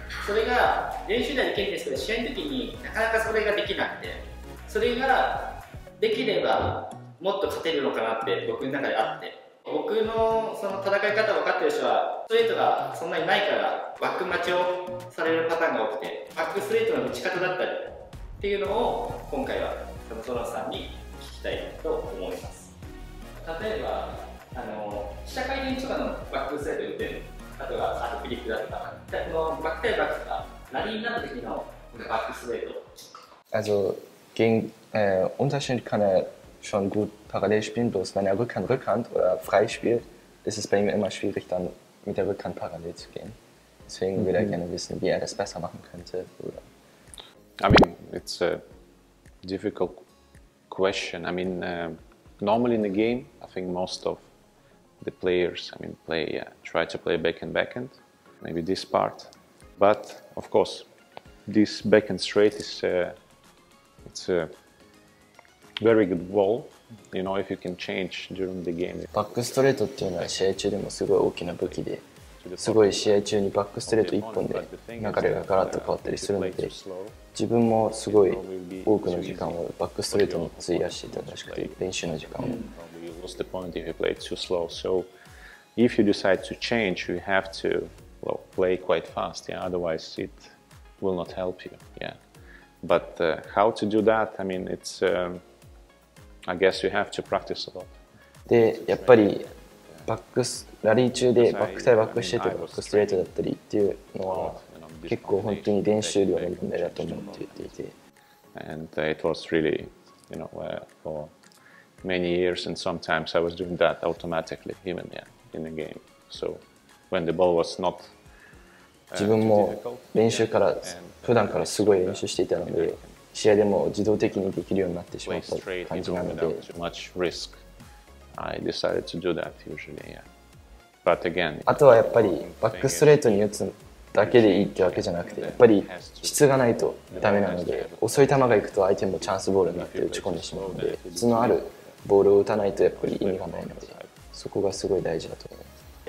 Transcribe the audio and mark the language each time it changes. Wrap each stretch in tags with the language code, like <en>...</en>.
<ja>それが練習ではできるんですけど、試合の時になかなかそれができなくて、それができればもっと勝てるのかなって僕の中であって、僕のその戦い方を分かってる人はストレートがそんなにないからバック待ちをされるパターンが多くて、バックストレートの打ち方だったりっていうのを今回はサムソロフさんに聞きたいと思います。例えば被写回転とかのバックストレート打てる、あとはアートフリックだとか、このバック対バックとかラリーになった時のバックストレート、</ja> <de>Unterschied kann er schon gut parallel spielen, bloß wenn er Rückhand oder frei spielt, ist es bei ihm immer schwierig, dann mit der Rückhand parallel zu gehen. Deswegen würde er gerne wissen, wie er das besser machen könnte. Oder?</de> <en>I mean, it's a difficult question. I mean, normally in the game, I think most of the players, I mean, try to play backhand, maybe this part. But, of course, this backhand straight is very good ball, you know, if you can change during the game.</en> <ja>バックストレートっていうのは試合中でもすごい大きな武器で、すごい試合中にバックストレート1本で流れがガラッと変わったりするので、自分もすごい多くの時間をバックストレートに費やしていたらしくて、練習の時間を。</ja> <en>Lost the point if you play too slow. So if you decide to change, you have to play quite fast. Yeah, otherwise it will not help you. Yeah. But how to do that? I mean, it'sI guess you have to practice a lot.</en> <ja>で、やっぱりバックス、ラリー中でバック対バックしてとかバックストレートだったりっていうのは結構本当に練習量の問題だと思うって言っていて。</ja> <en>And it was really, you know, for many years and sometimes I was doing that automatically even yeah, in the game. So when the ball was not</en> <ja>自分も練習から、普段からすごい練習していたので、試合でも自動的にできるようになってしまった感じなので。</ja> <en>Much risk. I decided to do that usually, yeah. But again,</en> <ja>あとはやっぱりバックストレートに打つだけでいいってわけじゃなくて、やっぱり質がないとダメなので、遅い球が行くと相手もチャンスボールになって打ち込んでしまうので、質のあるボールを打たないとやっぱり意味がないので、そこがすごい大事だと思います。</ja>